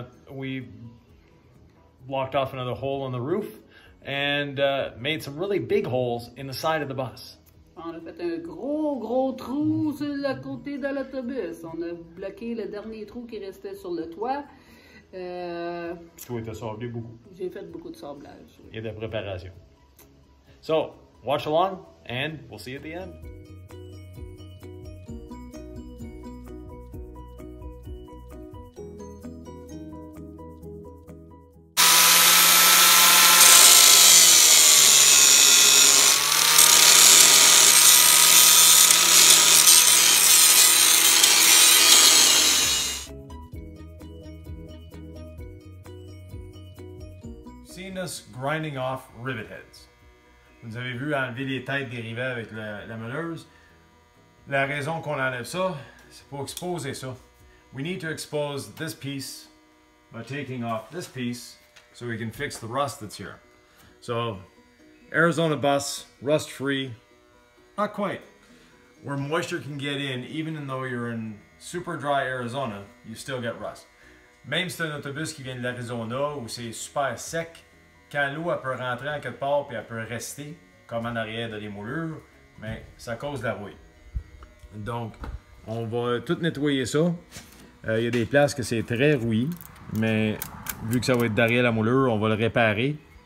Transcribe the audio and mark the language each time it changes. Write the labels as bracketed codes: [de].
[en] We blocked off another hole on the roof and made some really big holes in the side of the bus. [fr] On a fait un gros trou sur le côté de l'autobus. On a bloqué le dernier trou qui restait sur le toit. Tu étais sablé beaucoup. J'ai fait beaucoup de sablage. Et de préparation. [en] So, watch along. And we'll see you at the end. Seen us grinding off rivet heads. [fr] Vous avez vu enlever les têtes des rivets avec la meuleuse. La raison qu'on enlève ça, c'est pour exposer ça. [en] We need to expose this piece by taking off this piece so we can fix the rust that's here. So, Arizona bus, rust free. Not quite. Where moisture can get in, even though you're in super dry Arizona, you still get rust. [fr] Même si c'est un autobus qui vient de l'Arizona où c'est super sec, quand l'eau elle peut rentrer en quelque part puis elle peut rester comme en arrière de les moulures, mais ça cause de la rouille. Donc, on va tout nettoyer ça. Il y a des places que c'est très rouillé, mais vu que ça va être derrière la moulure, on va le réparer.